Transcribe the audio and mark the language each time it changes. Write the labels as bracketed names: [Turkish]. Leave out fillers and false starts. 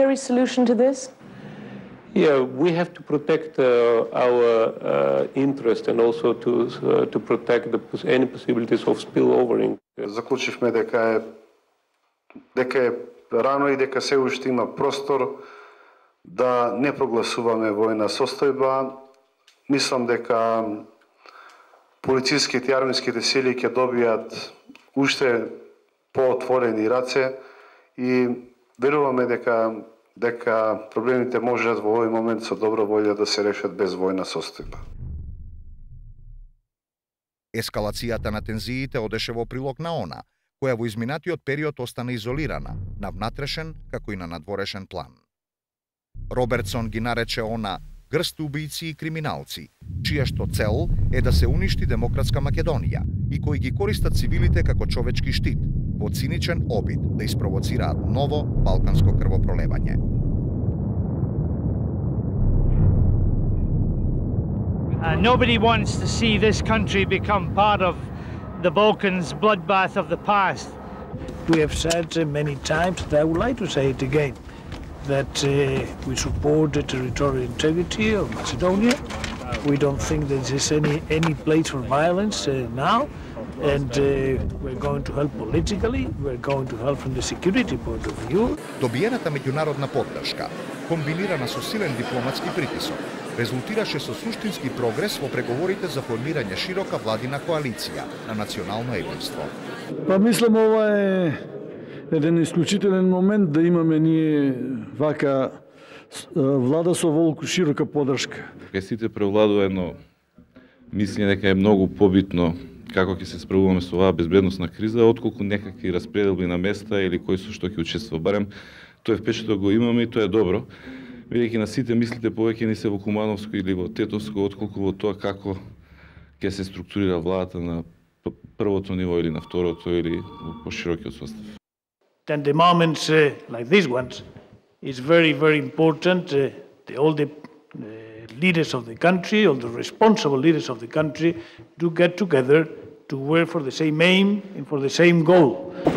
[English] Yeah, we have to protect our interest and also to protect the any possibilities of spillovering. [Macedonian] Заклучивме дека е рано и дека се уште има простор да не прогласуваме воена состојба. Мислам дека полицијските и армиските сили ќе добијат уште поотворени раце и веруваме дека проблемите можат во овој момент со добра волја да се решат без војна состојба. Ескалацијата на тензиите одеше во прилог на она, која во изминатиот период остана изолирана, на внатрешен, како и на надворешен план. Робертсон ги нарече она грст убијци и криминалци, чија што цел е да се уништи демократска Македонија и кои ги користат цивилите како човечки штит, во циничен обид да испровоцираат ново балканско крвопролевање. [English] Nobody wants to see this country become part of the Balkans bloodbath of the past. We have said many times, that I would like to say it again, that we support the territorial integrity of Macedonia. We don't think there is any place for violence now. And we're going to help politically, we're going to help from the security point of view. [Macedonian] Добиената меѓународна поддршка, комбинирана со силен дипломатски притисок, резултираше со суштински прогрес во преговорите за формирање широка владина коалиција на национално единство. Па мислам ова е еден исклучителен момент да имаме ние вака влада со волку широка поддршка. Кај сите превладува едно мислење дека е многу побитно како ќе се справуваме со оваа безбедносна криза, отколку некакви распределби на места или кој со што ќе учества, барем тоа е впечаток го имаме и тоа е добро. Бидејќи на сите мислите повеќе ни се во Кумановско или во Тетовско, отколку во тоа како ќе се структурира владата на првото ниво или на второто или во поширокиот состав. [English] Then the moments like this ones is very very important. The all the leaders of the country, all the responsible leaders of the country do get together to work for the same aim and for the same goal.